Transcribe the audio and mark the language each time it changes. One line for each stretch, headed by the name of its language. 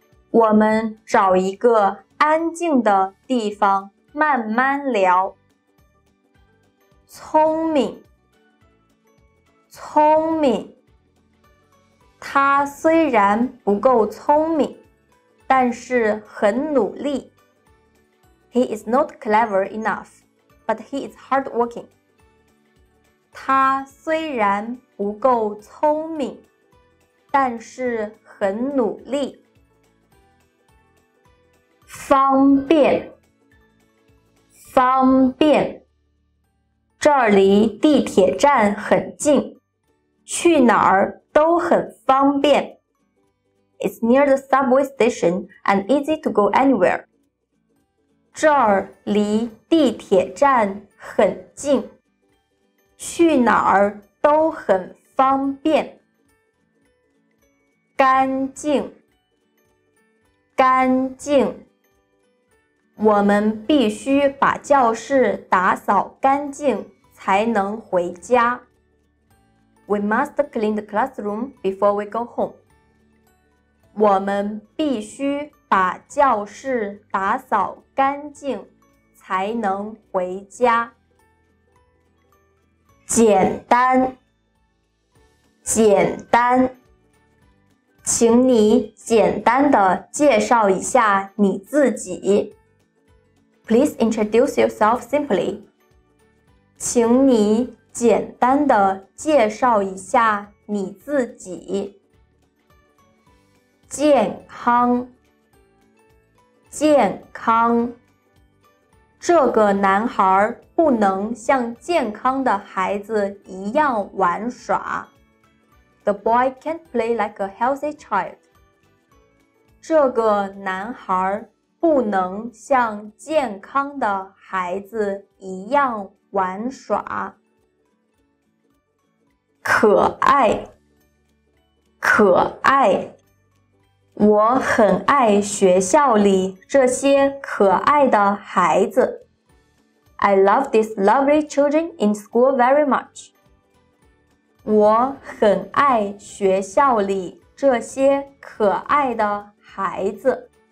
Chinese: 我们找一个安静的地方慢慢聊。聪明，聪明。他虽然不够聪明，但是很努力。
English: He is not clever enough, but he is hardworking.
Chinese: 他虽然不够聪明，但是很努力。方便，方便。这儿离地铁站很近，去哪儿都很方便。
English: It's near the subway station and easy to go anywhere.
Chinese: 这儿离地铁站很近，去哪儿都很方便。干净，干净。我们必须把教室打扫干净才能回家。
English: We must clean the classroom before we go home.
Chinese: 我们必须把教室打扫干净才能回家。简单，简单。请你简单地介绍一下你自己。
English: Please introduce yourself simply.
Chinese: 请你简单地介绍一下你自己。健康，健康。这个男孩不能像健康的孩子一样玩耍。
English: The boy can't play like a healthy child.
Chinese: 这个男孩不能像健康的孩子一样玩耍。可爱，可爱。我很爱学校里这些可爱的孩子。
English: I love these lovely children in school very much.
Chinese: 我很爱学校里这些可爱的孩子。